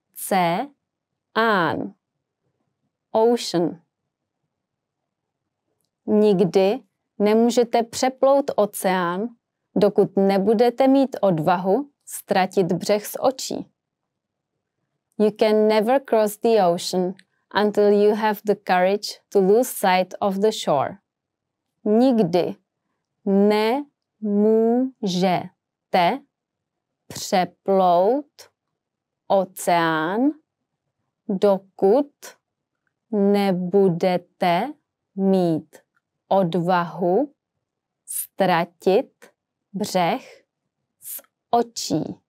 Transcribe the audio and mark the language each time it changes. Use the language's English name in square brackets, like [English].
[Czech] Oceán. Ocean. Nikdy nemůžete přeplout oceán, dokud nebudete mít odvahu ztratit břeh z očí. [English] You can never cross the ocean until you have the courage to lose sight of the shore. [Czech] Nikdy nemůžete přeplout oceán, dokud nebudete mít odvahu ztratit břeh z očí.